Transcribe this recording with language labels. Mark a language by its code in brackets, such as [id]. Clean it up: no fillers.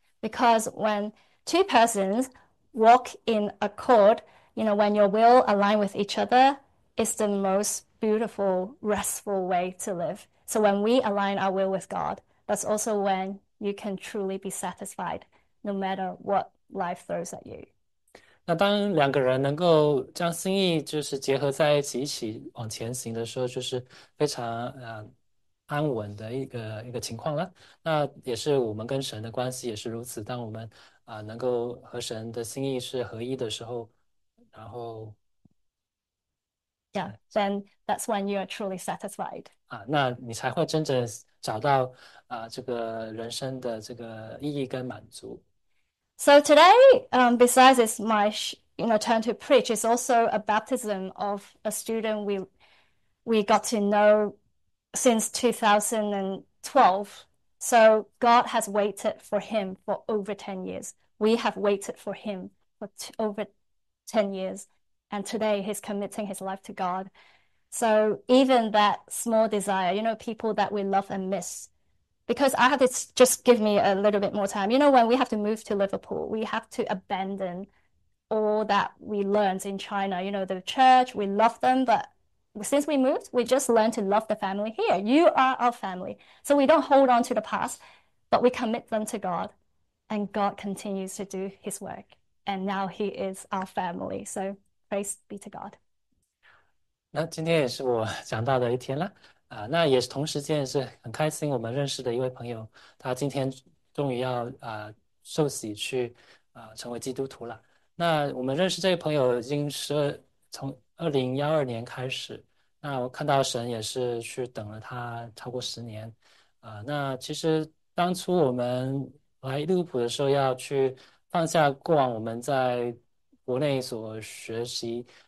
[en] Because when two persons walk in accord, you know, when your will align with each other, it's the most beautiful, restful way to live. So when we align our will with God, that's also when you can truly be satisfied, no matter what life throws at you. [zh] 那当两个人能够将心意就是结合在一起往前行的时候，就是非常安稳的一个情况了。那也是我们跟神的关系也是如此。当我们能够和神的心意是合一的时候，然后 [en] Yeah, then that's when you are truly satisfied. [zh] 那你才会真正找到这个人生的这个意义跟满足。 [en] So today, besides it's my turn to preach, it's also a baptism of a student we got to know since 2012. So God has waited for him for over 10 years. We have waited for him for over 10 years. And today he's committing his life to God. So even that small desire, you know, people that we love and miss, because I have to just give me a little bit more time. You know, when we have to move to Liverpool, we have to abandon all that we learned in China. You know, the church, we love them, but since we moved, we just learned to love the family here. You are our family. So we don't hold on to the past, but we commit them to God, and God continues to do his work. And now he is our family. So praise be to God. [zh] 那今天也是我讲到的一天了，那也是同时间也是很开心，我们认识的一位朋友，他今天终于要受洗去成为基督徒了。那我们认识这位朋友已经从2012年开始，那我看到神也是去等了他超过10年，那其实当初我们来利物浦的时候要去放下过往我们在国内所学习。